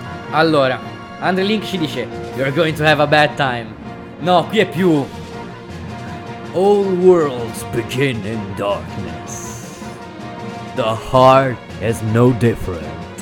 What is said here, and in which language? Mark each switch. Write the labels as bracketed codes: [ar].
[it] Allora, Andre Link ci dice: [en] "You're going to have a bad time." [it] No, qui è più: [en] "All worlds begin in darkness. The heart is no different."